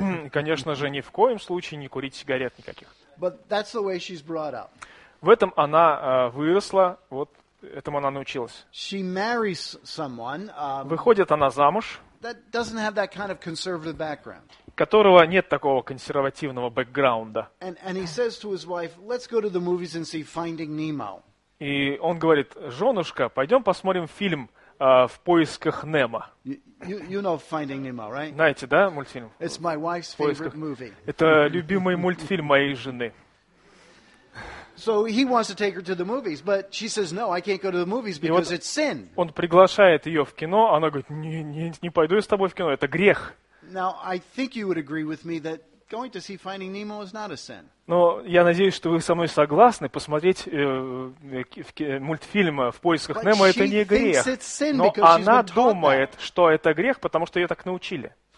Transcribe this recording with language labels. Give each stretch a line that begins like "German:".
Russian: Конечно же, ни в коем случае не курить сигарет никаких.
English: But that's the way she's brought up.
Russian: В этом она выросла, вот этому она научилась.
English: She marries someone,
Russian: выходит она замуж,
English: that doesn't have that kind of conservative background.
Russian: Которого нет такого консервативного бэкграунда.
English: And he says to his wife, let's go to the movies and see Finding Nemo.
Russian: И он говорит, женушка, пойдем посмотрим фильм «В поисках Немо».
English: You know Finding Nemo, right?
Russian: Знаете, да, мультфильм?
English: It's my wife's favorite movie.
Russian: Это любимый мультфильм моей жены.
English: So he wants to take her to the movies, but she says no, I can't go to the movies because it's sin.
Russian: Он приглашает ее в кино, она говорит, не пойду я с тобой в кино, это грех.
English: Now I think you would agree with me that going to see Finding Nemo is not a sin.
Russian: Но я надеюсь, что вы со мной согласны, посмотреть мультфильм «В поисках Немо» – это не грех. Но она думает, что это грех, потому что ее так научили.